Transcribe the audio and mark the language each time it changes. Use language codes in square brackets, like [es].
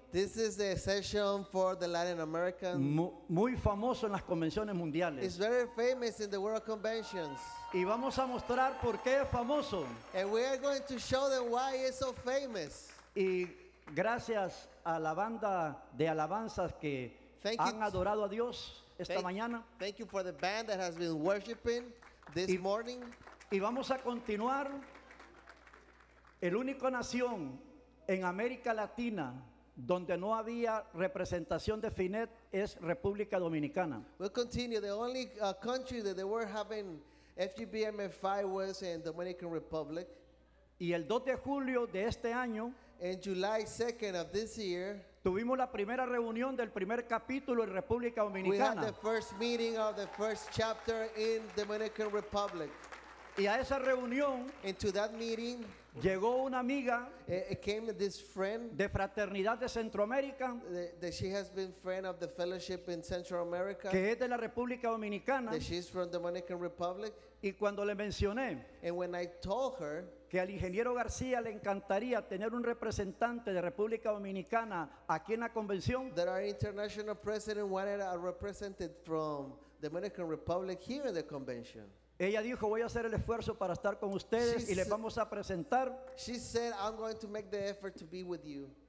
[en] This is the session for the Latin American. [es] Muy famoso en las convenciones mundiales. [en] It's very famous in the world conventions. [es] Y vamos a mostrar por qué es famoso. [en] And we are going to show them why it's so famous. [es] Y gracias a la banda de alabanzas que han adorado a Dios esta mañana. [en] Thank you for the band that has been worshiping this morning. [es] Y vamos a continuar. El único nación en América Latina donde no había representación de FINET es República Dominicana. [en] We'll continue. The only country that they were having FGBMFI was in Dominican Republic. [es] Y el 2 de julio de este año, [en] in July 2nd of this year, [es] tuvimos la primera reunión del primer capítulo en República Dominicana. [en] We had the first meeting of the first chapter in Dominican Republic. [es] Y a esa reunión, [en] into that meeting, [es] llegó una amiga, [en] it came this friend, [es] de fraternidad de Centroamérica, [en] that she has been friend of the fellowship in Central America, [es] que es de la República Dominicana, [en] that she's from Dominican Republic, [es] y cuando le mencioné, [en] and when I told her, [es] que al ingeniero García le encantaría tener un representante de República Dominicana aquí en la convención, [en] that our international president wanted a representative from the Dominican Republic here in the convention. [es] Ella dijo, voy a hacer el esfuerzo para estar con ustedes y les vamos a presentar. [en] She said, I'm going to make the effort to be with you.